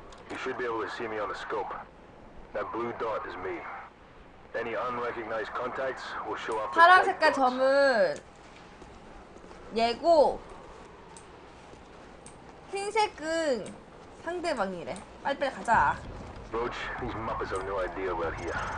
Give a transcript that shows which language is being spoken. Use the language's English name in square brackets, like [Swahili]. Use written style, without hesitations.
[English] You should be able to see me on the scope. That blue dot is me. Any unrecognized contacts will show up. [Korean] 파란 색깔 점은 얘고 흰색은 상대방이래. 빨리빨리 가자. [English] Roach, these muppets have no idea we're here.